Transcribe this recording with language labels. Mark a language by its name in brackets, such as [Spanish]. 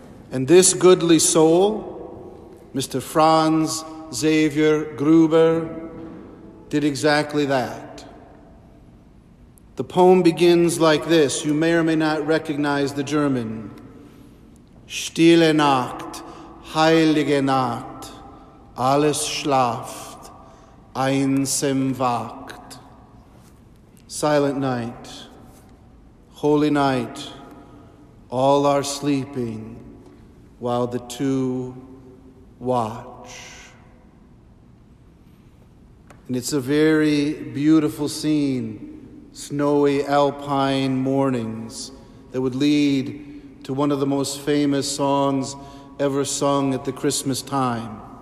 [English] And this goodly soul, Mr. Franz Xaver Gruber, did exactly that. The poem begins like this. You may or may not recognize the German. [German] Stille Nacht, heilige Nacht, alles schlaft, einsam wacht. [English] Silent night, holy night, all are sleeping while the two watch. And it's a very beautiful scene, snowy alpine mornings, that would lead to one of the most famous songs ever sung at the Christmas time.